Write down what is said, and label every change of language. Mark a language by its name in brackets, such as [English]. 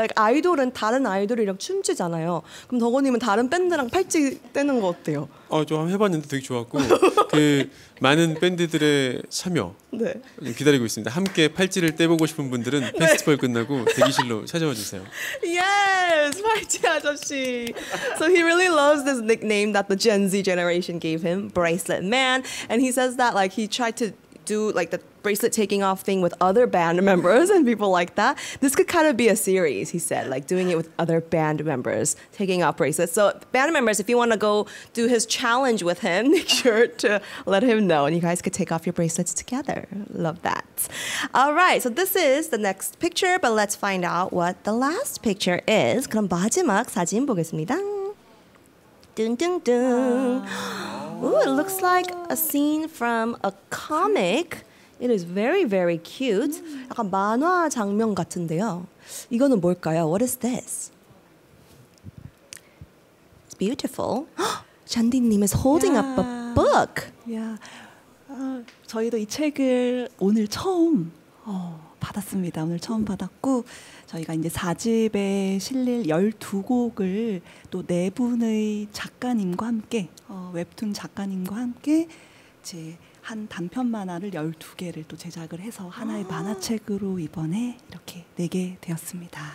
[Korean] Like, 아이돌은 다른 아이돌이랑 춤추잖아요. 그럼 덕원님은 다른 밴드랑 팔찌 떼는 거 어때요? 저 한번 해봤는데 되게 좋았고 그 많은 밴드들의 참여 네. 기다리고 있습니다. 함께 팔찌를 떼보고 싶은 분들은 네. 페스티벌 끝나고 대기실로 찾아와 주세요. [English] Yes! [Korean] 팔찌 아저씨! [English] So he really loves this nickname that the Gen Z generation gave him, Bracelet Man. And he says that like he tried to do like the bracelet taking off thing with other band members and people like that. This could kind of be a series, he said, like doing it with other band members taking off bracelets. So band members, if you want to go do his challenge with him, make sure to let him know and you guys could take off your bracelets together. Love that. All right, so this is the next picture, but let's find out what the last picture is. [Korean] 그럼 마지막 사진 보겠습니다. [English] Dun, dun, dun. Ooh, it looks like a scene from a comic. It is very, very cute. [Korean] 약간 만화 장면 같은데요. 이거는 뭘까요? [English] What is this? It's beautiful. 잔디님 is holding up a book. Yeah. [Korean] 저희도 이 책을 오늘 처음 받았습니다. 오늘 처음 받았고 저희가 이제 4집에 실릴 12곡을 또 네 분의 작가님과 함께 웹툰 작가님과 함께 이제 한 단편 만화를 12개를 또 제작을 해서 하나의 만화책으로 이번에 이렇게 내게 되었습니다.